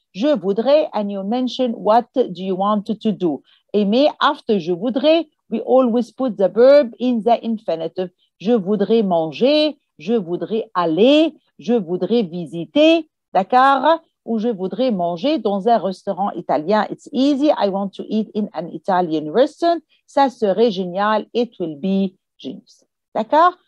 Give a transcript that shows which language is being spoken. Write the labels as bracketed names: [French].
[English] Je voudrais, and you mention what do you want to do. [French] Et mais [English] after [French] je voudrais, [English] we always put the verb in the infinitive. [French] Je voudrais manger, je voudrais aller, je voudrais visiter, d'accord? Ou je voudrais manger dans un restaurant italien. [English] It's easy, I want to eat in an Italian restaurant. [French] Ça serait génial, [English] it will be genius. [French] D'accord?